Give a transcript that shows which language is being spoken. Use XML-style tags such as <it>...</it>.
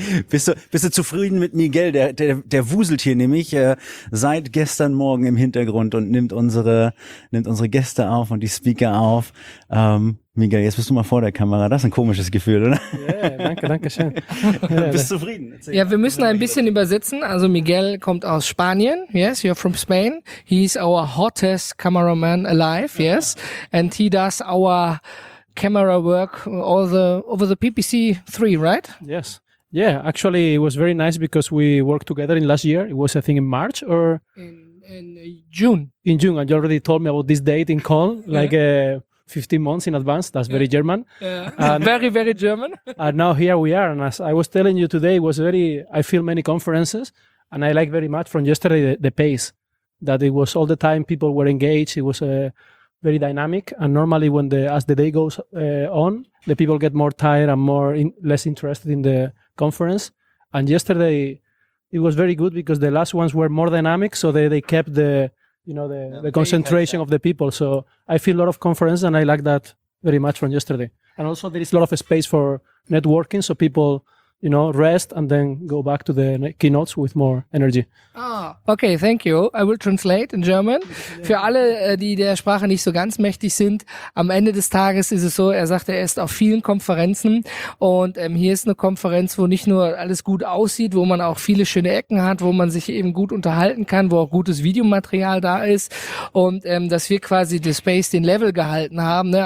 <de>Bist du zufrieden mit Miguel? Der wuselt hier nämlich seit gestern Morgen im Hintergrund und nimmt unsere Gäste auf und die Speaker auf. Miguel, jetzt bist du mal vor der Kamera. Das ist ein komisches Gefühl, oder? Yeah, danke schön. Bist du zufrieden? Ja, wir müssen ein bisschen übersetzen. Also Miguel kommt aus Spanien.</de> <en>Yes, you're from Spain. He's our hottest cameraman alive. Yes, and he does our camera work all the over the PPC 3, right? Yes. Yeah, actually, it was very nice because we worked together in last year. It was, I think, in March or... In June. In June. And you already told me about this date in Köln, like 15 months in advance. That's very German. Yeah. Very, very German. And now here we are. And as I was telling you today, it was very... I feel many conferences and I like very much from yesterday the pace that it was all the time people were engaged. It was very dynamic. And normally when as the day goes on, the people get more tired and less interested in the conference. And yesterday it was very good because the last ones were more dynamic, so they kept the concentration of the people. So I feel a lot of conference and I like that very much from yesterday. And also there is a lot of space for networking, so people you know, rest and then go back to the keynotes with more energy. Ah, okay, thank you. I will translate in German.</en> <de>Für alle, die der Sprache nicht so ganz mächtig sind, am Ende des Tages ist es so, er sagt, er ist auf vielen Konferenzen und hier ist eine Konferenz, wo nicht nur alles gut aussieht, wo man auch viele schöne Ecken hat, wo man sich eben gut unterhalten kann, wo auch gutes Videomaterial da ist und dass wir quasi den Space, den Level gehalten haben. Ne?</de>